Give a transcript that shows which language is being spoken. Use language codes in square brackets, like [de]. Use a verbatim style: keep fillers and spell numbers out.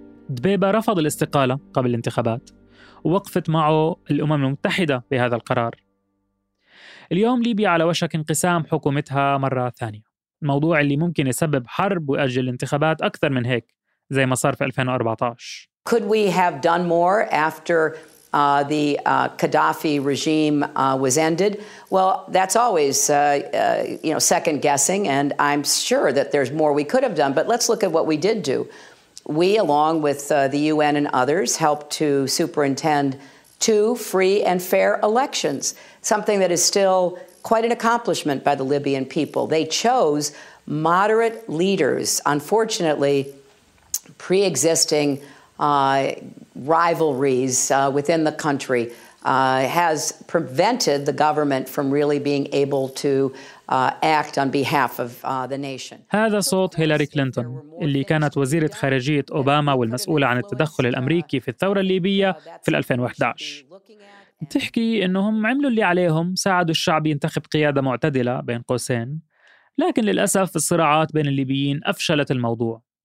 [ar] الدبيبة رفض الاستقالة قبل الانتخابات ووقفت معه الأمم المتحدة بهذا القرار. اليوم ليبيا على وشك انقسام حكومتها مرة ثانية، الموضوع اللي ممكن يسبب حرب ويؤجل الانتخابات أكثر من هيك زي ما صار في ألفين وأربعة عشر. [en] Could we have done more after uh, the uh, Gaddafi regime uh, was ended? Well, that's always, uh, uh, you know, second guessing, and I'm sure that there's more we could have done. But let's look at what we did do. We, along with uh, the U N and others, helped to superintend two free and fair elections, something that is still quite an accomplishment by the Libyan people. They chose moderate leaders, unfortunately, pre-existing Uh, rivalries uh, within the country uh, has prevented the government from really being able to uh, act on behalf of uh, the nation. [ar] هذا صوت هيلاري كلينتون اللي كانت وزيرة خارجية أوباما والمسؤولة عن التدخل الأمريكي في الثورة الليبية في ألفين وأحد عشر. بتحكي إنهم عملوا اللي عليهم، ساعدوا الشعب ينتخب قيادة معتدلة بين قوسين، لكن للأسف الصراعات بين الليبيين أفشلت الموضوع.